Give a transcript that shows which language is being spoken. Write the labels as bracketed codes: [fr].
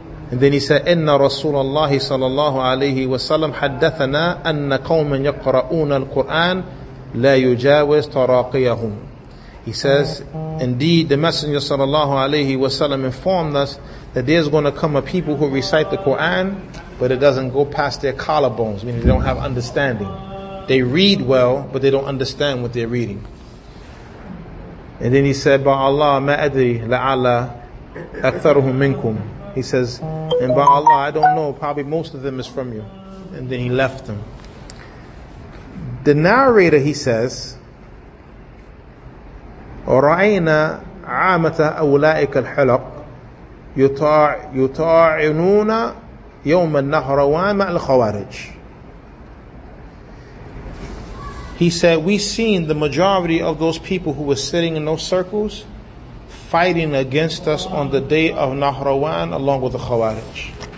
[en] And then he said, [ar] إِنَّ رَسُولَ اللَّهِ صَلَى اللَّهُ عَلَيْهِ وَسَلَّمْ حَدَّثَنَا أَنَّ قَوْمًا يَقْرَؤُونَ الْقُرْآنَ لَا يُجَاوِزْ تَرَاقِيَهُمْ [en] He says, indeed the Messenger صلى الله عليه وسلم informed us that there's going to come a people who recite the Qur'an, but it doesn't go past their collarbones, meaning they don't have understanding. They read well, but they don't understand what they're reading. And then he said, by Allah, [ar] ما أدري لعل أكثرهم منكم. [en] He says, and by Allah, I don't know, probably most of them is from you. And then he left them. The narrator, he says, [ar] رَأَيْنَا عَامَةَ أَوْلَائِكَ الْحَلَقِ يُطَاعِنُونَ يوم النهر وامع الخوارج [en] He said, we seen the majority of those people who were sitting in those circles fighting against us on the day of Nahrawan along with the Khawarij.